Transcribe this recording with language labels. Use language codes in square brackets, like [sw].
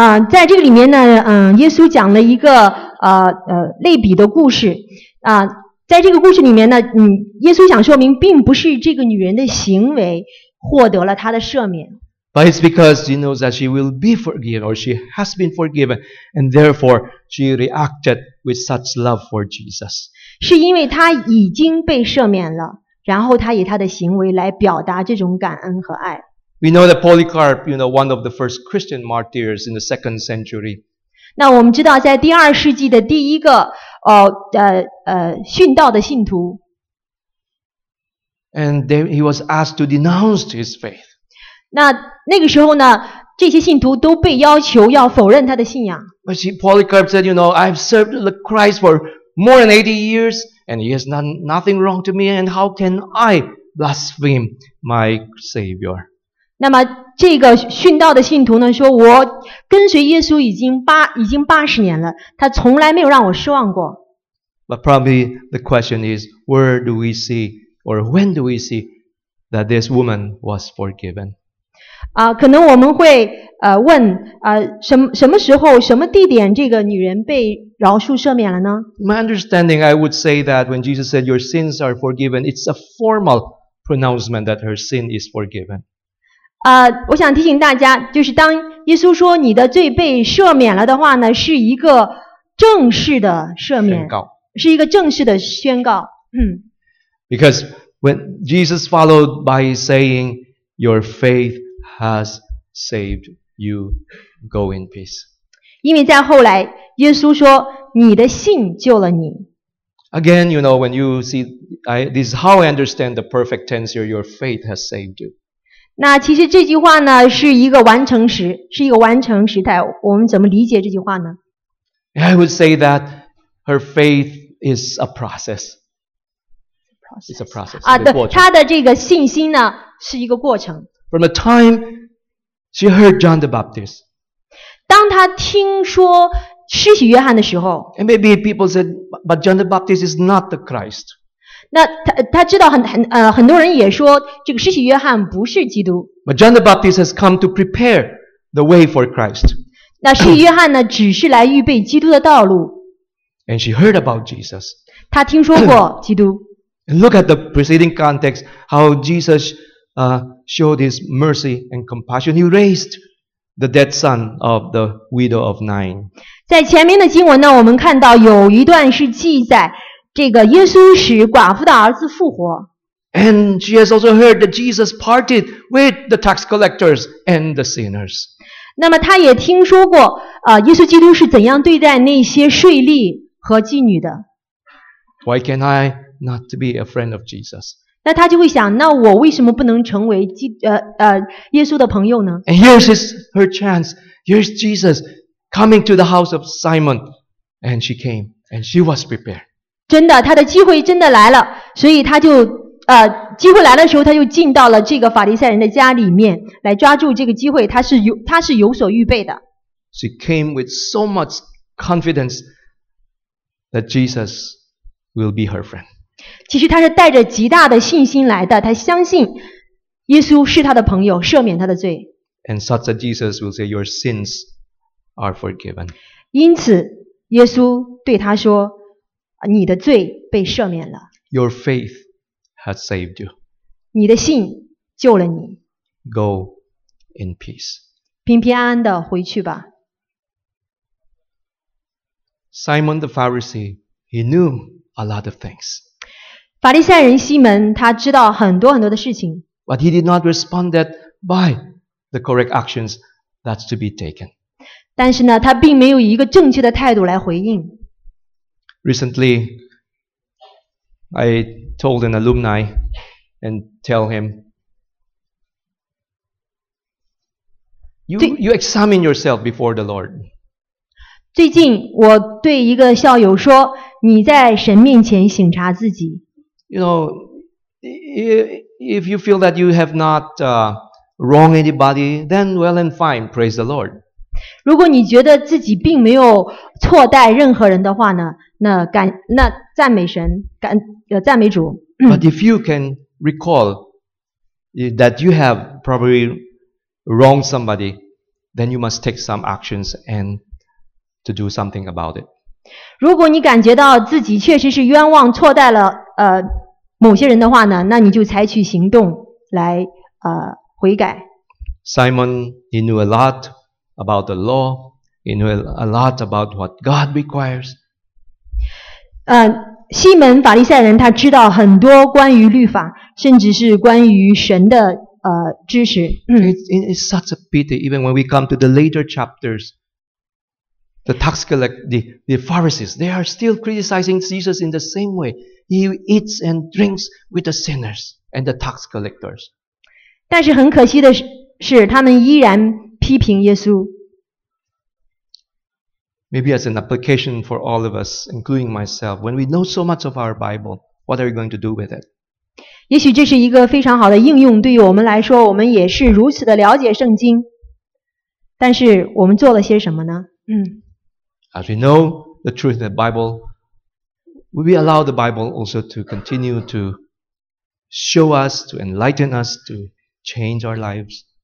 [zh] 在这个里面呢，耶稣讲了一个类比的故事，在这个故事里面呢，耶稣想说明，并不是这个女人的行为获得了她的赦免。 [en] But it's because she knows that she will be forgiven, or she has been forgiven, and therefore she reacted with such love for Jesus. [zh] 是因为她已经被赦免了，然后她以她的行为来表达这种感恩和爱。 [en] We know that Polycarp, you know, one of the first Christian martyrs in the second century. [zh] 那我们知道，在第二世纪的第一个殉道的信徒。 [en] And then he was asked to denounce his faith. [zh] 那个时候呢，这些信徒都被要求要否认他的信仰。 [en] But Polycarp said, you know, I've served the Christ for more than 80 years, and he has done nothing wrong to me, and how can I blaspheme my Savior? [zh] 那么这个殉道的信徒呢，说我跟随耶稣已经八十年了，他从来没有让我失望过。 [en] But probably the question is, where do we see, or when do we see that this woman was forgiven? [zh] 可能我们会问什么时候什么地点这个女人被饶恕赦免了呢？ [en] In my understanding, I would say that when Jesus said your sins are forgiven, it's a formal pronouncement that her sin is forgiven. [zh] 我想提醒大家，就是当耶稣说你的罪被赦免了的话呢，是一个正式的赦免，是一个正式的宣告。 [en] Because when Jesus followed by saying, "Your faith has saved you. Go in peace." [zh] 因为在后来，耶稣说你的信救了你。 [en] Again, you know, when you see, this is how I understand the perfect tense here. Your faith has saved you. [zh] 那其实这句话呢，是一个完成时，是一个完成时态。我们怎么理解这句话呢？ [en] I would say that her faith is a process. It's a process. [zh] 对，她的这个信心呢，是一个过程。 [en] From the time she heard John the Baptist. [zh] 当她听说施洗约翰的时候。 [en] And maybe people said, but John the Baptist is not the Christ. [zh] 那 他知道很多人也说这个施洗约翰不是基督。 [en] But John the Baptist has come to prepare the way for Christ. [zh] 那施洗约翰呢只是来预备基督的道路。 [en] And she heard about Jesus. [zh] 他听说过基督。 [en] And look at the preceding context, how Jesus, showed his mercy and compassion. He raised the dead son of the widow of Nain. [zh] 在前面的经文呢，我们看到有一段是记载这个耶稣使寡妇的儿子复活。 [en] And she has also heard that Jesus parted with the tax collectors and the sinners. [zh] 那么她也听说过耶稣基督是怎样对待那些税吏和妓女的。 [en] Why can I not be a friend of Jesus? [zh] 那她就会想，那我为什么不能成为耶稣的朋友呢？ [en] And here's her chance. Here's Jesus coming to the house of Simon. And she came. And she was prepared. [zh] 真的，他的机会真的来了，所以他就机会来的时候，他就进到了这个法利赛人的家里面，来抓住这个机会，他是有所预备的。 [en] She came with so much confidence that Jesus will be her friend. [zh] 其实他是带着极大的信心来的，他相信耶稣是他的朋友，赦免他的罪。 [en] And such that Jesus will say, "Your sins are forgiven." [zh] 因此，耶稣对他说，你的罪被赦免了。 [en] Your faith has saved you. [zh] 你的信救了你。 [en] Go in peace. [zh] 平平安安的回去吧。 [en] Simon the Pharisee, he knew a lot of things. [zh] 法利赛人西门他知道很多很多的事情。 [en] But he did not respond that by the correct actions that's to be taken. [zh] 但是呢，他并没有以一个正确的态度来回应。 [en] Recently, I told an alumni and tell him, you examine yourself before the Lord. [zh] 最近我对一个校友说，你在神面前省察自己。 [en] You know, if you feel that you have not wrong anybody, then well and fine, praise the Lord. [zh] 如果你觉得自己并没有错待任何人的话呢？那赞美神，赞美主。 [en] But if you can recall that you have probably wronged somebody, then you must take some actions and to do something about it. [zh] 如果你感觉到自己确实是冤枉错待了某些人的话呢，那你就采取行动来悔改。 [en] Simon, he knew a lot about the law. He knew a lot about what God requires. [zh] 西门法利赛人他知道很多关于律法，甚至是关于神的知识。 [en] It's such a pity. Even when we come to the later chapters, the tax collector, the Pharisees, they are still criticizing Jesus in the same way. He eats and drinks with the sinners and the tax collectors. [zh] 但是很可惜的是，他们依然批评耶稣。 [en] Maybe as an application for all of us, including myself, when we know so much of our Bible, what are we going to do with it? [zh] 也许这是一个非常好的应用，对于我们来说，我们也是如此的了解圣经。但是我们做了些什么呢？ [en] As we know the truth of the Bible, will we allow the Bible also to continue to show us, to enlighten us, to change our lives?